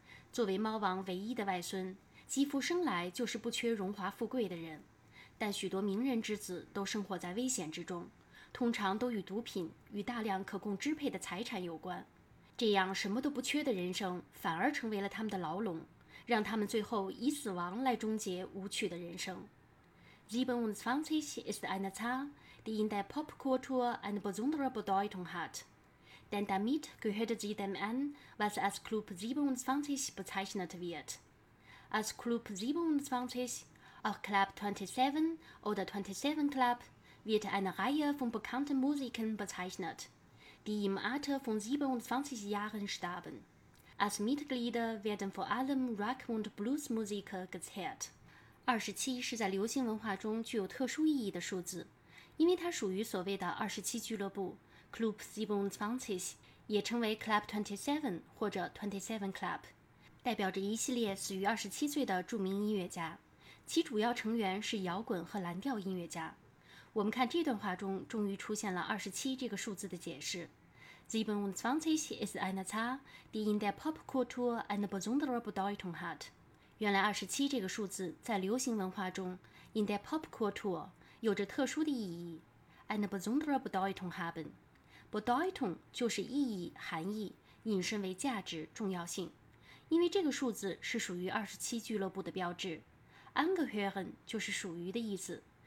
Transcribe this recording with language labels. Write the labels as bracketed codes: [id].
[zh] 作为猫王唯一的外孙，肌肤生来就是不缺荣华富贵的人。但许多名人之子都生活在危险之中，通常都与毒品、与大量可供支配的财产有关。这样什么都不缺的人生，反而成为了他们的牢笼，让他们最后以死亡来终结无趣的人生。 [de] 27 ist eine Zahl, die in der Popkultur eine besondere Bedeutung hat. Denn damit gehört sie dem an, was als Club 27 bezeichnet wird. Als Club 27, auch Club 27 oder 27 Club, wird eine Reihe von bekannten Musikern bezeichnet, die im Alter von 27 Jahren starben. Als Mitglieder werden vor allem Rock- und Bluesmusiker gezählt. [zh] 27是在流行文化中具有特殊意义的数字，因为它属于所谓的27俱乐部 Club 27，也称为 Club 27或者 27 Club， 代表着一系列死于27岁的著名音乐家，其主要成员是摇滚和蓝调音乐家。我们看这段话中终于出现了27这个数字的解释。 [de] 27 ist eine Zahl, die in der Popkultur eine besondere Bedeutung hat。 [zh] 原来27这个数字在流行文化中 [de] in der Popkultur [zh] 有着特殊的意义 [de] eine besondere Bedeutung haben。 [zh] Bedeutung 就是意义、含义，引申为价值、重要性。因为这个数字是属于27俱乐部的标志， angehören 就是属于的意思。